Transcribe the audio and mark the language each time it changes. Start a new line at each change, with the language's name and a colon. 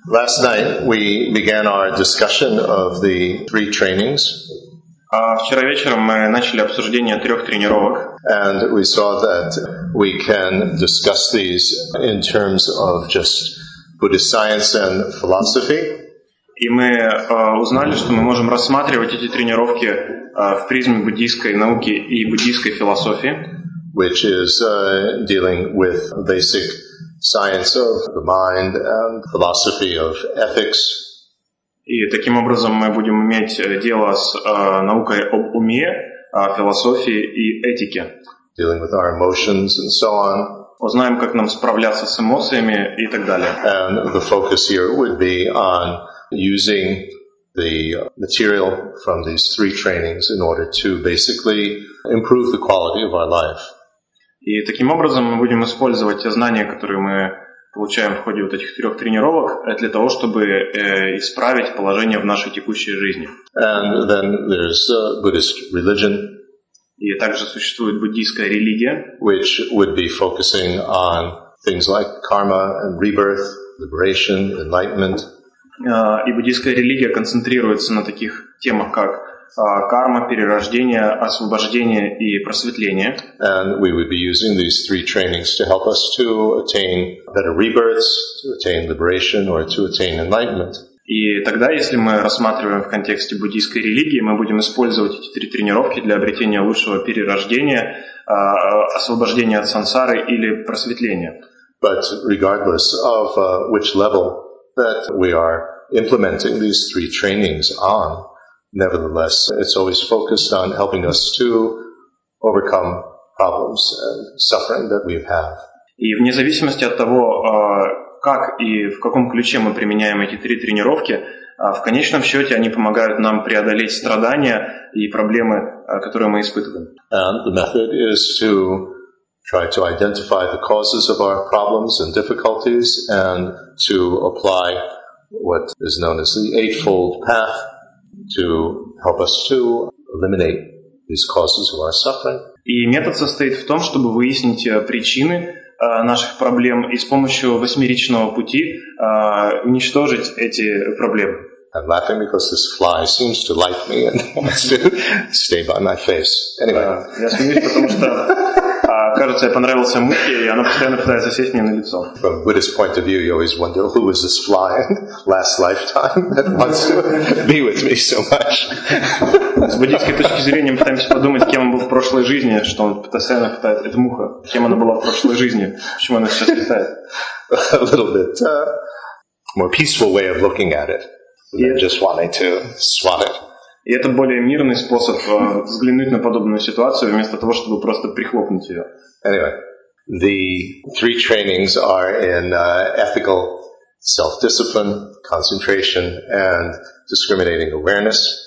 English: Last night we began our discussion of the three trainings.
Russian: Вчера вечером мы начали обсуждение трех тренировок.
English: And we saw that we can discuss these in terms of just Buddhist science and philosophy.
Russian: И мы узнали, что мы можем рассматривать эти тренировки в призме буддийской науки и буддийской философии,
English: which is dealing with basic science of the mind and philosophy of ethics.
Russian: И таким образом мы будем иметь дело с наукой об уме, философии и этике.
English: Dealing with our emotions and so on.
Russian: Узнаем, как нам справляться с эмоциями и так далее.
English: And the focus here would be on using the material from these three trainings in order to basically improve the quality of our life.
Russian: И таким образом мы будем использовать те знания, которые мы получаем в ходе вот этих трех тренировок, для того, чтобы исправить положение в нашей текущей жизни.
English: And then there's Buddhist religion,
Russian: и также существует буддийская религия,
English: which would be focusing on things like karma and rebirth, liberation, enlightenment.
Russian: И буддийская религия концентрируется на таких темах, как карма, перерождение, освобождение и просветление.
English: And we would be using these three trainings to help us to attain better rebirths, to attain liberation, or to attain enlightenment.
Russian: И тогда, если мы рассматриваем в контексте буддийской религии, мы будем использовать эти три тренировки для обретения лучшего перерождения, освобождения от сансары или просветления.
English: But regardless of which level that we are implementing these three trainings on, nevertheless, it's always focused on helping us to overcome problems and suffering that we have.
Russian: И вне зависимости от того, как и в каком ключе мы применяем эти три тренировки, в конечном счете они помогают нам преодолеть страдания и проблемы, которые мы испытываем.
English: And the method is to try to identify the causes of our problems and difficulties and to apply what is known as the Eightfold Path to help us to eliminate these causes of our suffering.
Russian: И метод состоит в том, чтобы выяснить причины наших проблем и с помощью восьмеричного пути уничтожить эти проблемы.
English: I'm laughing because this fly seems to like me and wants to stay by my face. Anyway.
Russian: Я смеюсь, потому что кажется, я понравился мухе, и она постоянно пытается сесть мне на лицо.
English: From a Buddhist point of view, you always wonder who is this fly in last lifetime that wants to be with me so much.
Russian: С буддийской точки зрения мы пытаемся подумать, кем он был в прошлой жизни, что он постоянно питает. Это муха. Кем она была в прошлой жизни? Почему она сейчас питает?
English: A little bit more peaceful way of looking at it than just wanting to swat it.
Russian: И это более мирный способ взглянуть на подобную ситуацию, вместо того, чтобы просто прихлопнуть ее.
English: Anyway, the three trainings are in ethical self-discipline, concentration, and discriminating awareness.